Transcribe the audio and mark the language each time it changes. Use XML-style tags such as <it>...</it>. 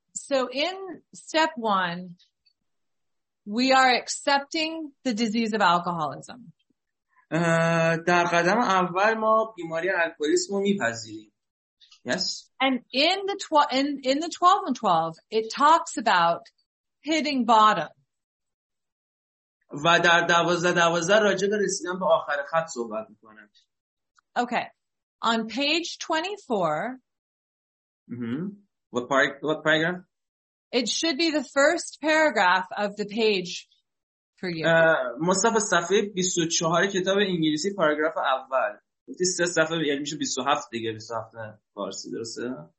<en>So in step 1, we are accepting the disease of alcoholism.</en> <fa>در قدم اول ما بیماری الکلیسم رو میپذیریم.</fa> <en>Yes. And in the 12 and 12, it talks about hitting bottom.</en> <fa>و در 12-12 راجع به رسیدن به آخر خط صحبت میکنه.</fa> <en>Okay. On page 24. Mm-hmm. What paragraph? It should be the first paragraph of the page for you.</en> <fa>مصطفی صفحه 24 کتاب انگلیسی پاراگراف اول. گفتی 3 صفحه یعنی میشه 27 دیگه، 27 فارسی درسته؟</fa>